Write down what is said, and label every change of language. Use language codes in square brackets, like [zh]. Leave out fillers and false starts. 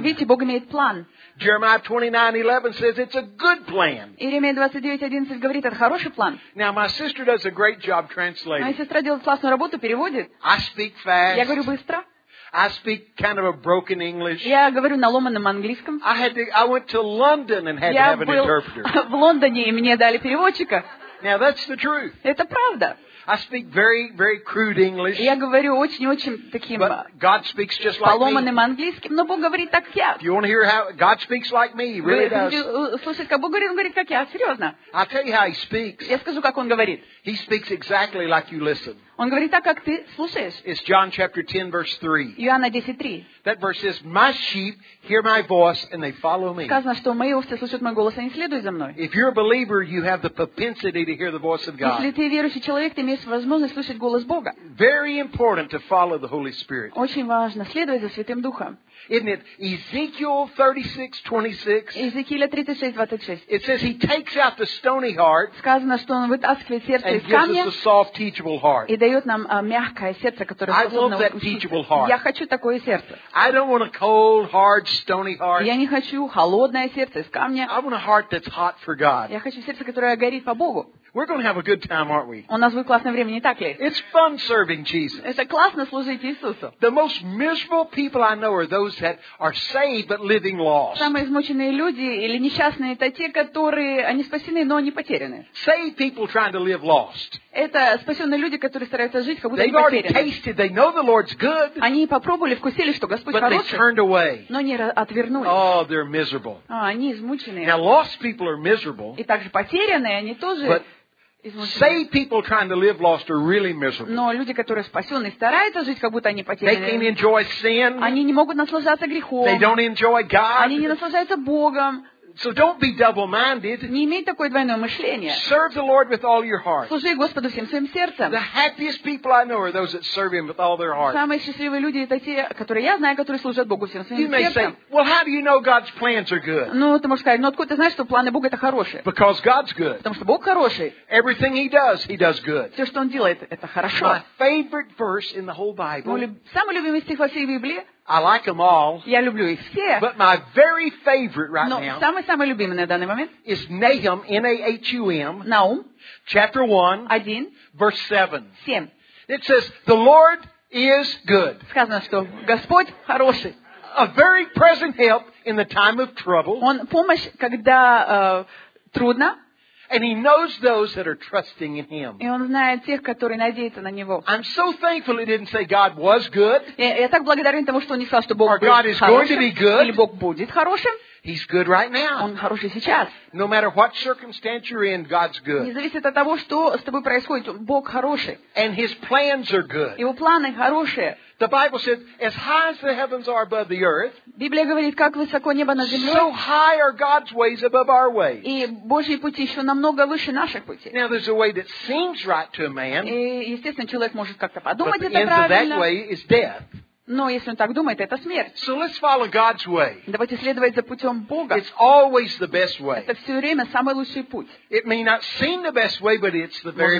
[ru] Видите, Бог имеет план. [en] Jeremiah 29:11 says it's a good plan. [ru] Иеремия 29:11 говорит, это хороший план. [en] Now my sister does a great job translating. [ru] Моя сестра делает классную работу, переводит. [en] I speak fast. [ru] Я говорю быстро. [en] I speak kind of a broken English. [ru] Я говорю на ломаном английском. [en] I went to London and had to have an interpreter. [ru] Я был в Лондоне и мне дали переводчика. [en] Now that's the truth. [ru] Это правда. [en] I speak very, very crude English. [ru] Я говорю очень-очень таким. [en] But God speaks just like me. [ru] Поломанным английским, но Бог говорит так, как я. [en] If you want to hear how God speaks like me, really does. [ru] Слушай, как Бог говорит, он говорит как я, серьезно. [en] I'll tell you how He speaks. [ru] Я скажу, как он говорит. [en] He speaks exactly like you listen. [ru] Он говорит так, как ты слушаешь. [en] It's John chapter 10, verse 3. [ru] Иоанна 10:3. [en] That verse says, "My sheep hear my voice and they follow me." [ru] Сказано, что мои овцы слушают мой голос, они следуют за мной. [en] If you're a believer, you have the propensity to hear the voice of God. [ru] Если ты верующий человек, ты имеешь возможность слышать голос Бога. [en] Very important to follow the Holy Spirit. [ru] Очень важно следовать за Святым Духом. [en] Isn't it Ezekiel 36:26? [ru] Иезекииля 36:26. [en] It says He takes out the stony heart. [ru] Сказано, что Он вытаскивает сердце из камня. [en] And gives us a soft, teachable heart. [ru] И дает нам мягкое сердце, которое способно учить. Я хочу такое сердце. [en] I don't want a cold, hard, stony heart. [ru] Я не хочу холодное сердце из камня. [en] I want a heart that's hot for God. [ru] Я хочу сердце, которое горит по Богу. [en] We're going to have a good time, aren't we? [ru] У нас будет классное время, не так ли? [en] It's fun serving Jesus. [ru] Это классно служить Иисусу. [en] The most miserable people I know are those that are saved but living lost. [ru] Самые измученные люди или несчастные это те, которые они спасены, но они потеряны. [en] Saved people trying to live lost. [ru] Это спасенные люди, которые стараются жить, как будто они потеряны. [en] They've already tasted, they know the Lord's good. [ru] Они попробовали, вкусили, что Господь хороший. [en] But they turned away. [ru] Но не отвернулись. [en] Oh, they're miserable. [ru] Они измученные. [en] Now lost people are miserable. [ru] И также потерянные, они тоже. [en] Saved people trying to live lost are really miserable. [ru] Но люди, которые спасены, стараются жить, как будто они потеряны. [en] They can't enjoy sin. [ru] Они не могут наслаждаться грехом. [en] They don't enjoy God. [ru] Они не наслаждаются Богом. [en] So don't be double-minded. [ru] Не имей такое двойное мышление. [en] Serve the Lord with all your heart. [ru] Служи Господу всем своим сердцем. [en] The happiest people I know are those that serve Him with all their heart. [ru] Самые счастливые люди это те, которые я знаю, которые служат Богу всем своим сердцем. [en] You may say, well, how do you know God's plans are good? [ru] Ну, ты можешь сказать, ну откуда ты знаешь, что планы Бога это хорошие? [en] Because God's good. [ru] Потому что Бог хороший. [en] Everything He does good. [ru] Все, что Он делает, это хорошо. [en] My favorite verse in the whole Bible. [ru] Самый любимый стих во всей Библии. [en] I like them all. [ru] Я люблю их все. [en] But my very favorite right now. [ru] Но самый любимый на данный момент. [en] Is Nahum, N-A-H-U-M. [ru] Наум. [en] Chapter 1. [ru] 1. [en] Verse 7. [ru] 7. [en] It says, the Lord is good. [ru] Сказано, что Господь хороший. [en] A very present help in the time of trouble. [ru] Он помощь, когда трудно. [en] And He knows those that are trusting in Him. [ru] И он знает тех, которые надеются на него. [en] I'm so thankful He didn't say God was good. [ru] Я так благодарен тому, что он не сказал, что Бог был хорошим. [en] Or God is going to be good. [ru] Или Бог будет хорошим. [en] He's good right now. [ru] Он хороший сейчас. [en] No matter what circumstance you're in, God's good. [ru] Не зависит от того, что с тобой происходит, Бог хороший. [en] And His plans are good. [ru] Его планы хорошие. [en] The Bible says, as high as the heavens are above the earth, [ru] Библия говорит, как высоко небо над землей, [en] so high are God's ways above our ways. [ru] И Божьи пути еще намного выше наших путей. [en] Now there's a way that seems right to a man, [ru] и, естественно, человек может как-то подумать это правильно. [en] But the end of that way is death. [ru] Но если он так думает, это смерть. [en] So let's follow God's way. [ru] Давайте следовать за путем Бога. [en] It's always the best way. [ru] Это все время самый лучший путь. [en] It may not seem the best way, but it's the very